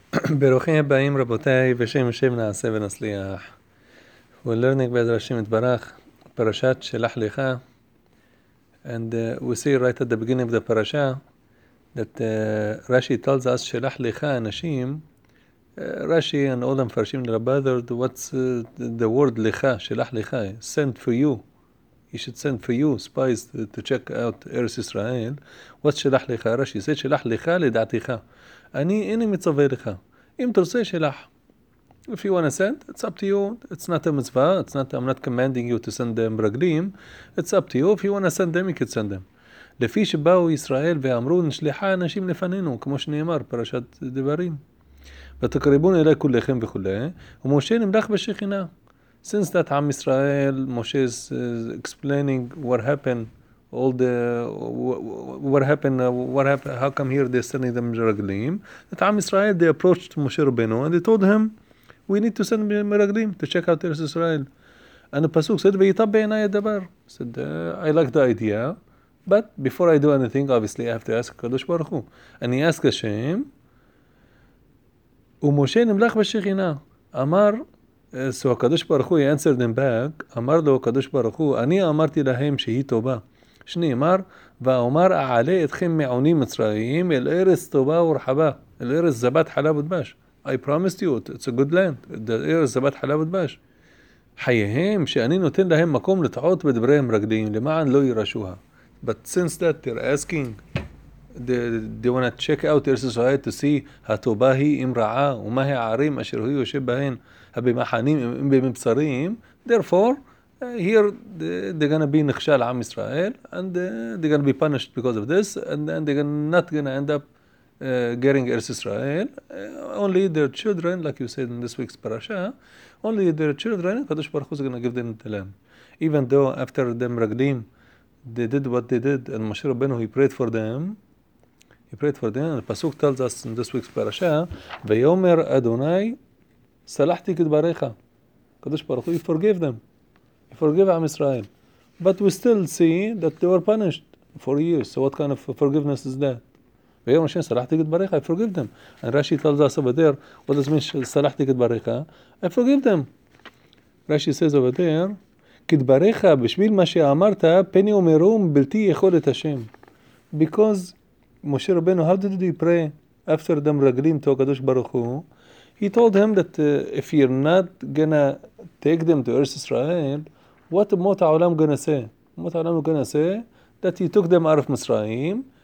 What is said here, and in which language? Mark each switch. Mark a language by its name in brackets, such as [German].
[Hebrew] ברוכים הבאים רבותיי, בשם השם נעשה ונצליח. [English] We're learning [Hebrew] בעזר השם יתברך, פרשת שלח לך. [English] And we see right at the beginning of the parasha that Rashi tells us [Hebrew] שלח לך אנשים. [English] Rashi and all them פרשים לרבאדרד, what's the word לך, [Hebrew] שלח לך, [English] sent for you. You should send for you spies to check out Eretz Israel. What's שלח לך? Rashi said [Hebrew] שלח לך לדעתך. אני איני מצווה לך. אם תרצה שלח. [English] If you want to send, it's up to you. It's not a mitzvah. It's not, I'm not commanding you to send them רגלים. It's up to you. If you want to send them, you can send them. [Hebrew] לפי שבאו ישראל ואמרו נשלחה אנשים לפנינו, כמו שנאמר, פרשת דברים. ותקרבון אלי כולכם וכולי. ומשה נמלך בשכינה. [English] Since that עם ישראל, משה is explaining what happened, all the, what happened, how come here they're sending them miraglim. That עם ישראל, they approached משה רבנו, and they told him, we need to send miraglim to check out Eretz Israel. And the pasuk said, [Hebrew] ויטב בעיני הדבר. [English] Said, I like the idea, but before I do anything, obviously I have to ask הקדוש ברוך הוא. And he asked השם, [Hebrew] ומשה נמלך בשכינה. אמר, [English] So [Hebrew] הקדוש ברוך הוא [English] answered them back, [Hebrew] אמר לו הקדוש ברוך הוא, אני אמרתי להם שהיא טובה. שנאמר, ואומר אעלה אתכם מעוני מצרים אל ארץ טובה ורחבה, אל ארץ זבת חלב ודבש. [English] I promised you, it's a good land, the [Hebrew] ארץ זבת חלב ודבש. חייהם שאני נותן להם מקום לטעות בדבריהם רגליים, למען לא יירשוה. [English] But since that they're asking, they want to check out ארץ ישראל to see [Hebrew] הטובה היא אם רעה, ומה הערים אשר הוא יושב בהן. במחנים, במבצרים, [English] therefore, here they're gonna be נכשל עם ישראל, and they're gonna be punished because of this, and they're gonna not gonna end up getting Eretz Israel. Only their children, like you said in this week's parasha, only their children, הקדוש ברוך הוא is gonna give them the land. Even though after them רגלים, they did what they did, and משה רבנו, he prayed for them, he prayed for them, and the pasuk tells us in this week's parasha, [Hebrew] ויאמר אדוני, סלחתי כדבריך. [English] הקדוש ברוך הוא, he forgave them. He forgave עם ישראל. But we still see that they were punished for years. So what kind of forgiveness is that? [Hebrew] ויום השם, סלחתי כדבריך, [English] I forgave them. And Rashi tells us over there, what does mean [Hebrew] סלחתי כדבריך? [English] I forgave them. Rashi says over there, [Hebrew] כדבריך, בשביל מה שאמרת, פני ומרום, בלתי יכולת השם. [English] Because, משה רבנו, how did he pray after them רגלים to הקדוש ברוך הוא? He told him that if you're not gonna take them to Eretz Israel, what Mota Olam gonna say? Mota Olam gonna say that he took them out of Mitzrayim.